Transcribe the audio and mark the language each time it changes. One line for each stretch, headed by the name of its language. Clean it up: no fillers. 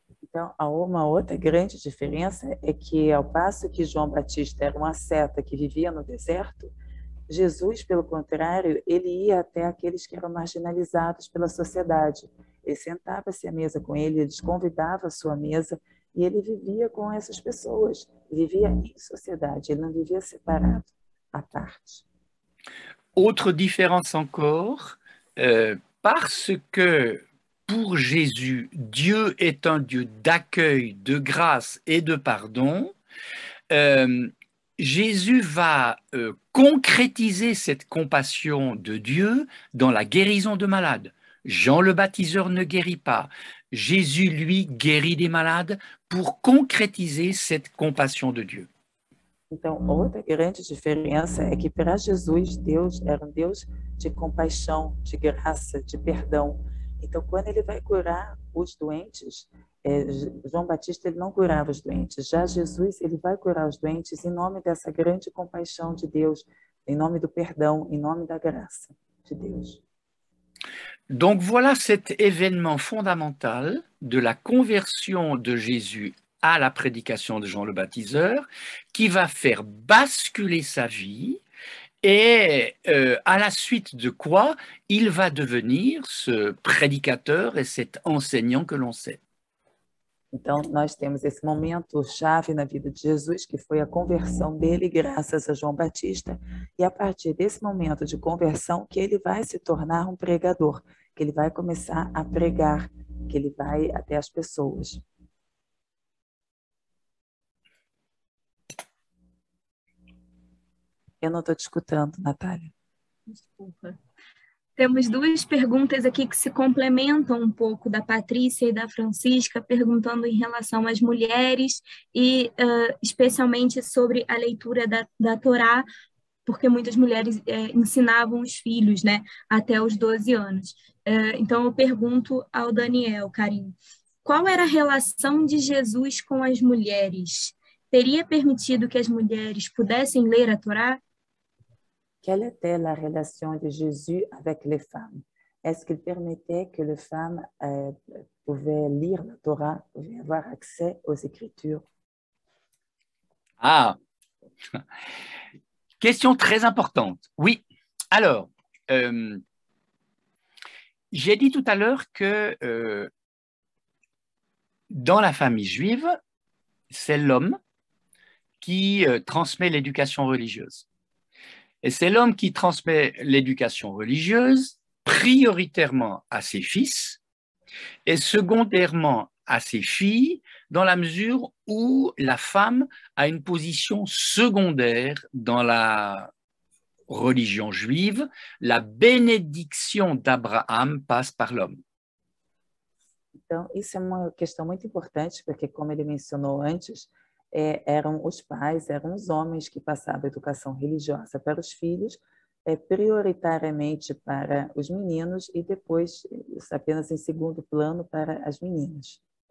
Portuguese: Então, uma outra grande diferença é que, ao passo que João Batista era um asceta que vivia no deserto, Jesus, pelo contrário, ele ia até aqueles que eram marginalizados pela sociedade. Ele sentava-se à mesa com ele, ele convidava a sua mesa e ele vivia com essas pessoas, vivia em sociedade, ele não vivia separado, à parte. Outra diferença
French: encore, parce que pour Jésus, Dieu est un Dieu d'accueil, de grâce et de pardon. Jésus va concrétiser cette compassion de Dieu dans la guérison de malades. Jean le baptiseur ne guérit pas. Jésus, lui, guérit des malades pour concrétiser cette compassion de Dieu.
Portuguese: Então, outra grande diferença é que para Jesus, Deus era um Deus de compaixão, de graça, de perdão. Então, quando ele vai curar os doentes, João Batista ele não curava os doentes. Já Jesus ele vai curar os doentes em nome dessa grande compaixão de Deus, em nome do perdão, em nome da graça de Deus.
French: Donc voilà cet événement fondamental de la conversion de Jésus à la prédication de Jean le Baptiseur, qui va faire basculer sa vie. Et à la suite de quoi il va devenir ce prédicateur et cet enseignant que l'on sait.
Portuguese: Então nós temos esse momento chave na vida de Jesus que foi a conversão dele graças a João Batista e a partir desse momento de conversão que ele vai se tornar um pregador, que ele vai começar a pregar, que ele vai até as pessoas. Eu não estou te escutando, Natália. Desculpa. Temos duas perguntas aqui que se complementam um pouco, da Patrícia e da Francisca, perguntando em relação às mulheres e especialmente sobre a leitura da Torá, porque muitas mulheres ensinavam os filhos, né, até os 12 anos. Então, eu pergunto ao Daniel, Karim, qual era a relação de Jesus com as mulheres? Teria permitido que as mulheres pudessem ler a Torá?
French: Quelle était la relation de Jésus avec les femmes? Est-ce qu'il permettait que les femmes pouvaient lire la Torah, pouvaient avoir accès aux Écritures? Ah, question très importante. Oui, alors, j'ai dit tout à l'heure que dans la famille juive, c'est l'homme qui transmet l'éducation religieuse. Et c'est l'homme qui transmet l'éducation religieuse prioritairement à ses fils et secondairement à ses filles dans la mesure où la femme a une position secondaire dans la religion juive. La bénédiction d'Abraham passe par l'homme.
Portuguese: Então, isso é uma questão muito importante, porque, como ele mencionou antes, eram os pais, eram os homens que passavam a educação religiosa para os filhos, prioritariamente para os meninos, e depois, apenas em segundo plano, para as meninas.